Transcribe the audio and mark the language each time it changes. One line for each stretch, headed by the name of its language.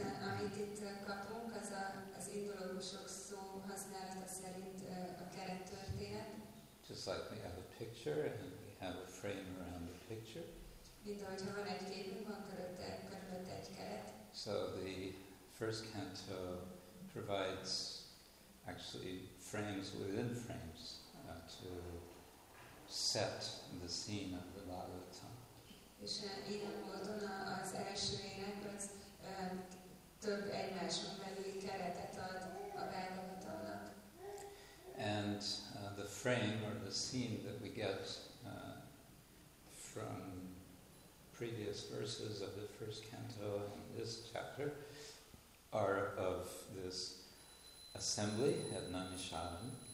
Hungarian: Amit itt kapunk, az indológusok szó használata szerint a kerettörténet.
English: Just like we have a picture and we have a frame around the picture.
Hungarian: Mint ahogyha van egy képünk, van körülött egy keret.
English: So the first canto provides actually frames within frames to set the scene of the Bhagavatam.
Hungarian: És ilyen módon az első ének az több egymáson belüli keretet ad a Bhagavatamnak.
English: And the frame or the scene that we get from previous verses of the first canto and this chapter are of this assembly at Naimisharanya.